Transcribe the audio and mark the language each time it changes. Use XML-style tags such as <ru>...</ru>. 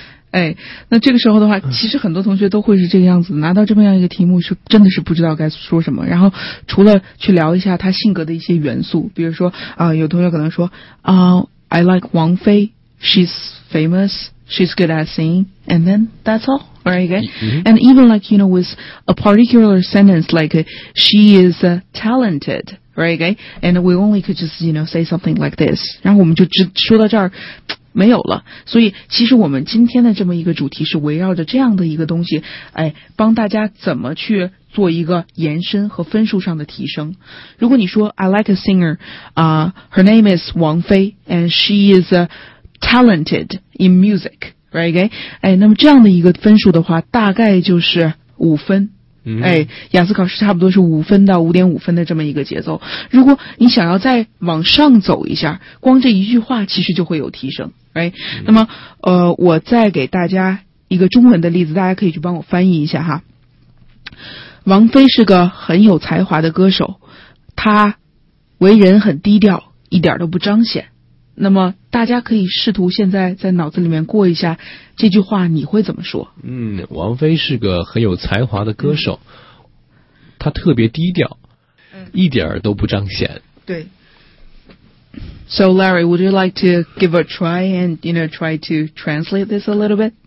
<zh>哎，那这个时候的话，其实很多同学都会是这个样子，拿到这么样一个题目，是真的是不知道该说什么。然后除了去聊一下他性格的一些元素，比如说有同学可能说</zh> <en>I like 王菲 ，she's famous, she's good at singing, and then that's all, right? And even like you know with a particular sentence like she is talented, right? And we only could just you know say something like this.</en> <zh>然后我们就只说到这儿。没有了，所以其实我们今天的这么一个主题是围绕着这样的一个东西，哎，帮大家怎么去做一个延伸和分数上的提升。如果你说</zh> <en>I like a singer, her name is 王菲 and she is talented in music, right?</en> <zh>哎，那么这样的一个分数的话，大概就是5分。哎，雅思考试差不多是5分到5.5分的这么一个节奏。如果你想要再往上走一下，光这一句话其实就会有提升 ，right？那么，我再给大家一个中文的例子，大家可以去帮我翻译一下哈。王菲是个很有才华的歌手，她为人很低调，一点都不彰显。那么大家可以试图现在在脑子里面过一下这句话，你会怎么说？嗯，王菲是个很有才华的歌手，她特别低调，一点儿都不彰显。对。</zh> <en>So Larry, would you like to give a try and you know try to translate this a little bit?</en>